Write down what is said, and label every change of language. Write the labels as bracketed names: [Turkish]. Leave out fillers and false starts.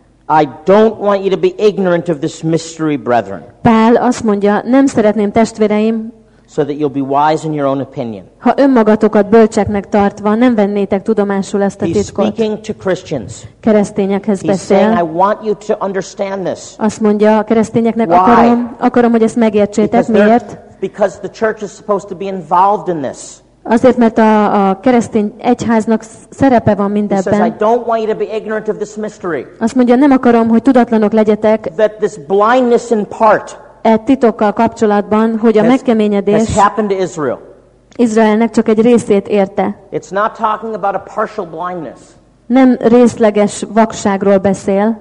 [English] I don't want you to be ignorant of this mystery, brethren. [Hungarian] Pál azt mondja, nem szeretném testvéreim, [English] so that you'll be wise in your own opinion. [Hungarian] Ha önmagatokat bölcseknek tartva, nem vennétek tudomásul ezt a titkot. [English] He's speaking to Christians. [Hungarian] Keresztényekhez beszél. [English] He's saying, I want you to understand this. [Hungarian] Azt mondja a keresztényeknek, akarom, hogy ezt megértsétek. Miért? [English] Because the church is supposed to be involved in this. [Hungarian] Azért, mert a keresztény egyháznak szerepe van mindebben. [English] Says, I don't want you to be ignorant of this mystery. [Hungarian] Azt mondja, nem akarom, hogy tudatlanok legyetek. [English] That this blindness in part. [Hungarian] E titokkal kapcsolatban, hogy a megkeményedés Izraelnek csak egy részét érte. [English] It's not talking about a partial blindness. [Hungarian] Nem részleges vakságról beszél.